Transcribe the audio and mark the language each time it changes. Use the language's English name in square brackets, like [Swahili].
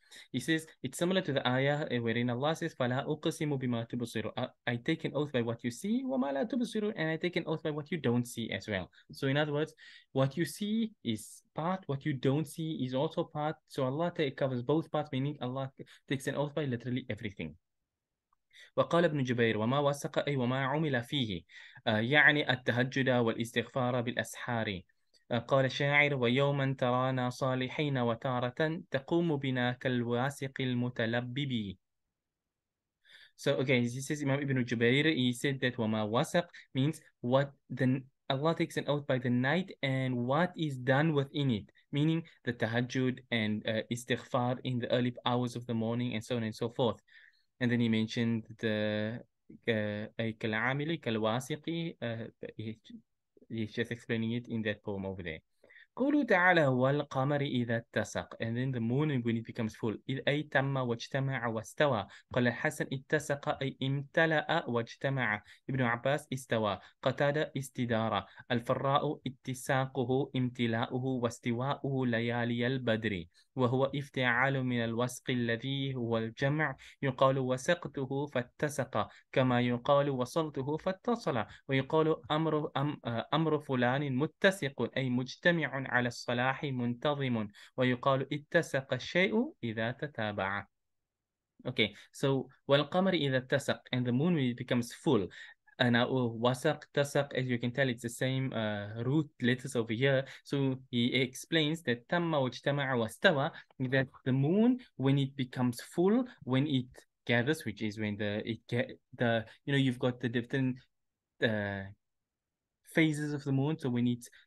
[English] He says, it's similar to the ayah wherein Allah says, [Arabic] فَلَا أُقْسِمُ بِمَا تُبُصِرُ, [English] I take an oath by what you see, [Arabic] وَمَا لَا تُبُصِرُ, [English] and I take an oath by what you don't see as well. So in other words, what you see is part, what you don't see is also part. So Allah covers both parts, meaning Allah takes an oath by literally everything. [Arabic] وقال ابن جبير وما وسق أي وما عمل فيه يعني التهجد والاستغفار بالأسحار قال شاعر ويوما ترانا صالحين وتارة تقوم بنا كالواسق المتلبب. [English] So okay, this is Imam Ibn Jubayr. He said that وما وسق means what the Allah takes an oath by the night and what is done within it, meaning the tahajjud and istighfar in the early hours of the morning and so on and so forth. And then he mentioned the kalamili kalwasiqi. He's just explaining it in that poem over there. [Arabic] قولوا تعالى والقمر إذا اتسق, [English] and then the moon when it becomes full. [Arabic] إذ أي تم واجتمع واستوى قال الحسن اتسق أي امتلأ واجتمع ابن عباس استوى قتادة استدارة الفراء اتساقه امتلاؤه واستواؤه ليالي البدر وهو افتعال من الوسق الذي هو الجمع يقال وسقته فاتسق كما يقال وصلته فاتصل ويقال أمر فلان متسق أي مجتمع على الصلاح منتظم ويقال اتسق الشيء إذا تتابع. [English] Okay, so [Arabic] والقمر إذا اتسق, [English] and the moon when it becomes full. Now وسق تسق, as you can tell, it's the same root letters over here. So he explains that تم واجتمع واستوى, that the moon when it becomes full, when it gathers, which is when the you know, you've got the different phases of the moon. So when it's